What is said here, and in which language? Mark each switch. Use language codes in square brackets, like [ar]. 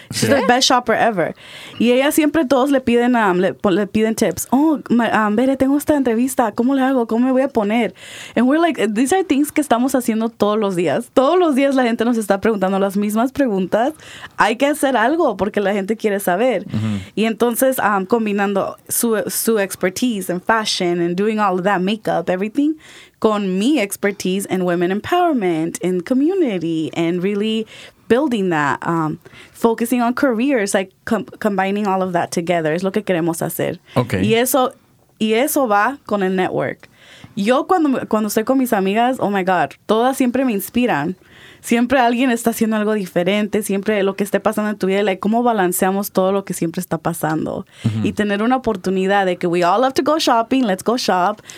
[en] She's the best shopper ever. [es] Y ella siempre... Todos le piden le piden tips. Tengo esta entrevista. ¿Cómo le hago? ¿Cómo me voy a poner? [en] And we're like... These are things [es] que estamos haciendo todos los días. Todos los días la gente nos está preguntando las mismas preguntas. Hay que hacer algo porque la gente quiere saber. Y entonces, combinando su expertise en [en] fashion and doing all of that makeup, everything, [es] con mi expertise [en] in women empowerment, in community, and really building that, focusing on careers, like combining all of that together, [es] es lo que queremos hacer. [en] Okay. [es] Y eso va con el network. Yo cuando estoy con mis amigas, [en] oh my God, [es] todas siempre me inspiran. Siempre alguien está haciendo algo diferente, siempre lo que esté pasando en tu vida, like, cómo balanceamos todo lo que siempre está pasando. [en] Mm-hmm. [es] Y tener una oportunidad de que [en] we all love to go shopping, let's go shop.